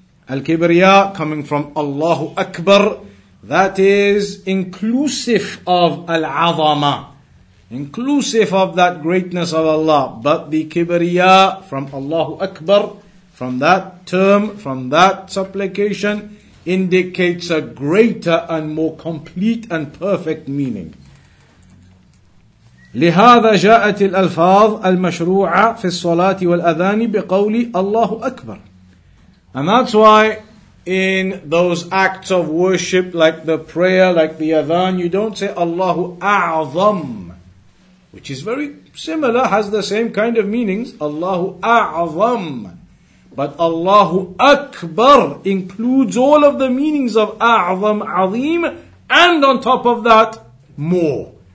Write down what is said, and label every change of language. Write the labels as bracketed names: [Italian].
[English] Al-Kibriya, coming from Allahu Akbar, that is inclusive of Al-Azama. Inclusive of that greatness of Allah. But the Kibriya from Allahu Akbar, from that term, from that supplication, indicates a greater and more complete and perfect meaning. [Arabic] لهذا جاءت الألفاظ المشروعة في الصلاة والأذان بقول الله أكبر. [English] And that's why in those acts of worship, like the prayer, like the Adhan, you don't say Allahu A'zam, which is very similar, has the same kind of meanings, Allahu A'zam. But Allahu Akbar includes all of the meanings of A'zam, Azim, and on top of that, more.